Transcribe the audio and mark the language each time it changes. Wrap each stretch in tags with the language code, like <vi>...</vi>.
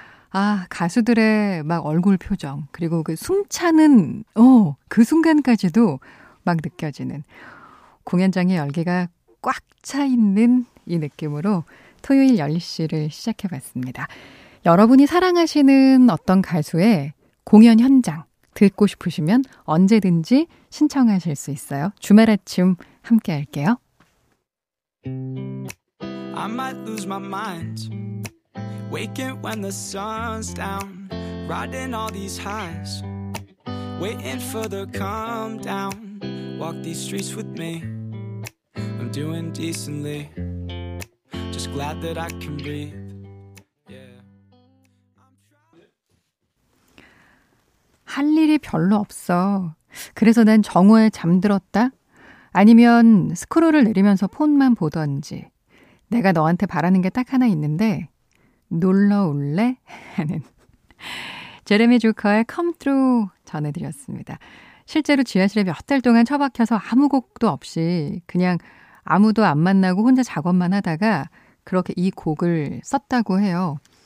<ko>아, 가수들의 막 얼굴 표정 그리고 그 숨차는 그 순간까지도 막 느껴지는 공연장의 열기가 꽉 차있는 이 느낌으로 토요일 10시를 시작해봤습니다. 여러분이 사랑하시는 어떤 가수의 공연 현장 듣고 싶으시면 언제든지 신청하실 수 있어요. 주말 아침 함께 할게요.</ko> <en>I might lose my mind Waking when the sun's down Riding all these highs Waiting for the calm down Walk these streets with me I'm doing decently Just glad that I can breathe</en> <ko>할 일이 별로 없어. 그래서 난 정오에 잠들었다? 아니면 스크롤을 내리면서 폰만 보던지. 내가 너한테 바라는 게 딱 하나 있는데 놀러 올래? 하는 제레미 주커의 Come Through 전해드렸습니다. 실제로 지하실에 몇 달 동안 처박혀서 아무 곡도 없이 그냥 아무도 안 만나고 혼자 작업만 하다가 그렇게 이 곡을 썼다고 해요.</ko>